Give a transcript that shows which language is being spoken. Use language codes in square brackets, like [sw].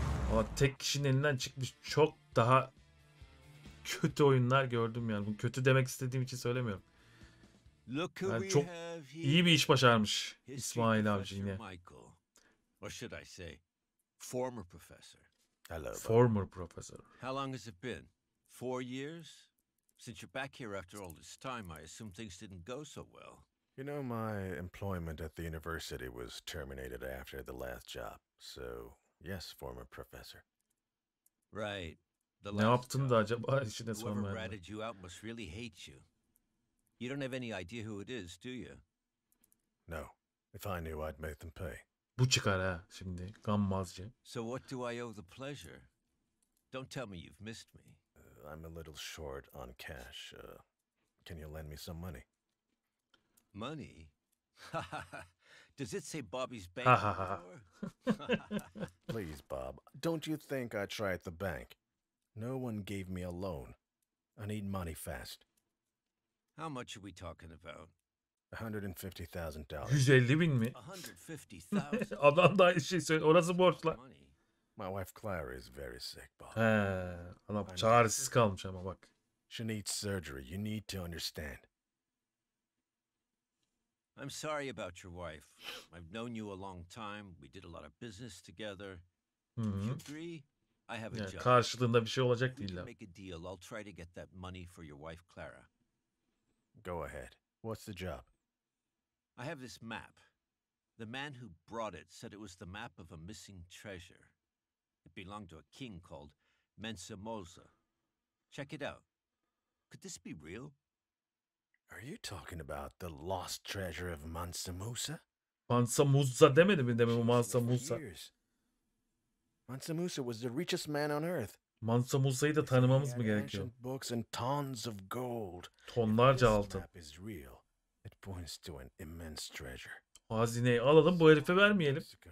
[tr] Ama tek kişinin elinden çıkmış çok daha kötü oyunlar gördüm yani. Bu kötü demek istediğim için söylemiyorum. Yani çok iyi bir iş başarmış İsmail abici yine. [en] Or should I say former professor. Hello. Former professor. How long has it been? 4 years? Since you're back here after all this time, I assume things didn't go so well. You know, my employment at the university was terminated after the last job. So, yes, former professor. Right. The last [tr] ne yaptın da acaba işine sormayalım. [en] Whoever ratted you out must really hate you. You don't have any idea who it is, do you? No. If I knew, I'd make them pay. [tr] Bu çıkar ha şimdi, gammazca. [en] So what do I owe the pleasure? Don't tell me you've missed me. I'm a little short on cash. Can you lend me some money? Money? Does it say Bobby's bank before? Please, Bob. Don't you think I try at the bank? No one gave me a loan. I need money fast. How much are we talking about? $150,000. [tr] 150 bin mi? [en] $150,000. [tr] Adam da işi söylüyor. Orası borçla. [en] My wife Clara is very sick, Bob. [tr] Adam çaresiz kalmış ama bak. [en] She needs surgery. You need to understand. I'm sorry about your wife. I've known you a long time. We did a lot of business together. If you agree, I have a job. [tr] Karşılığında bir şey olacak değil lan. [en] Make a deal. I'll try to get that money for your wife Clara. Go ahead. What's the job? I have this map. The man who brought it said it was the map of a missing treasure. It belonged to a king called Mensa Mosa. Check it out. Could this be real? Are you talking about the lost treasure of Mansa Musa? [tr] Mansa Musa demedi mi demin Mansa Musa? [en] Mansa Musa was the richest man on earth. [tr] Mansa Musa'yı da tanımamız mı gerekiyor? [en] Books and tons of gold. [tr] Tonlarca altın. [en] This map is real. It points to an immense treasure. [tr] Hazineyi alalım, bu herife vermeyelim.